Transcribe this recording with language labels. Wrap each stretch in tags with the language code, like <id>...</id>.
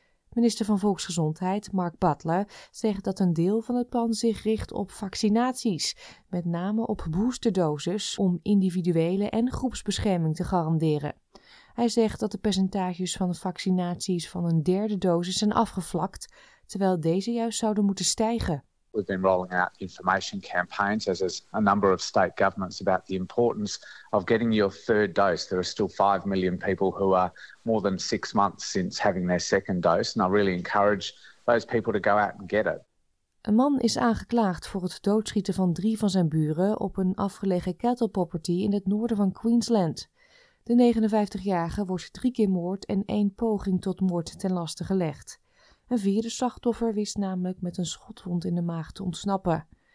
<nl>Minister van Volksgezondheid, Mark Butler, zegt dat een deel van het plan zich richt op vaccinaties, met name op boosterdoses, om individuele en groepsbescherming te garanderen. Hij zegt dat de percentages van vaccinaties van een derde dosis zijn afgevlakt, terwijl deze juist zouden moeten stijgen.</nl> <en>We've been rolling out information campaigns, as is a number of state governments, about the importance of getting your third dose. There are still 5 million people who are more than 6 months since having their second dose, and I really encourage those people to go out and get it.</en> <nl>Een man is aangeklaagd voor het doodschieten van 3 van zijn buren op een afgelegen</nl> <en>cattle property</en> <nl>in het noorden van Queensland. De 59-jarige wordt 3 keer moord en 1 poging tot moord ten laste gelegd. Een vierde slachtoffer wist namelijk met een schotwond in de maag te ontsnappen.</nl>